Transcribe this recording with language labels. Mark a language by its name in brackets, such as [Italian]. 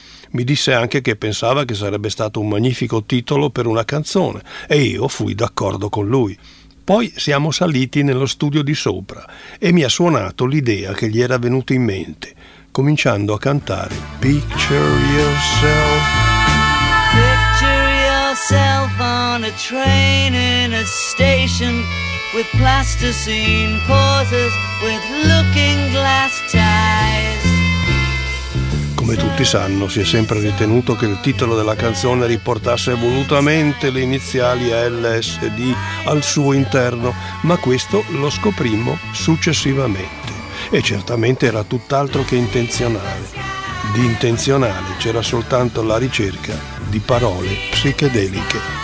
[Italian] Mi disse anche che pensava che sarebbe stato un magnifico titolo per una canzone e io fui d'accordo con lui. Poi siamo saliti nello studio di sopra e mi ha suonato l'idea che gli era venuta in mente, cominciando a cantare [English] Picture yourself. Picture yourself on a train in a station with plasticine pauses with looking glass ties. [Italian] Come tutti sanno, si è sempre ritenuto che il titolo della canzone riportasse volutamente le iniziali LSD al suo interno, ma questo lo scoprimmo successivamente. E certamente era tutt'altro che intenzionale. Di intenzionale c'era soltanto la ricerca di parole psichedeliche.